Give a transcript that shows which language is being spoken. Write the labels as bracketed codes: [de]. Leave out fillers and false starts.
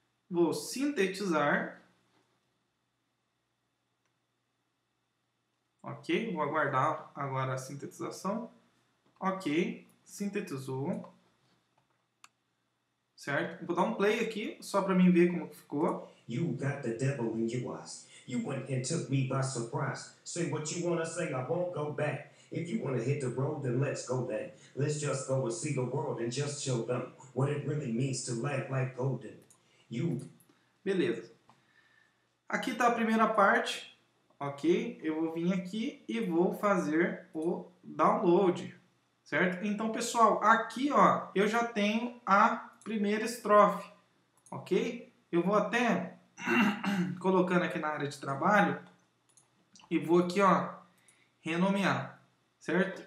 [pt] Vou sintetizar. Ok? Vou aguardar agora a sintetização. Ok, sintetizou. Certo? Vou dar um play aqui só para mim ver como que ficou. [en] You got the devil in your eyes. You went and took me by surprise. Say what you wanna say, I won't go back. If you wanna hit the road, then let's go back. Let's just go and see the world and just show them what it really means to laugh like golden. You. [pt] Beleza. Aqui tá a primeira parte. Ok? Eu vou vir aqui e vou fazer o download. Certo? Então, pessoal, aqui ó, eu já tenho a primeira estrofe. Ok? Eu vou até colocando aqui na área de trabalho e vou aqui ó renomear, certo?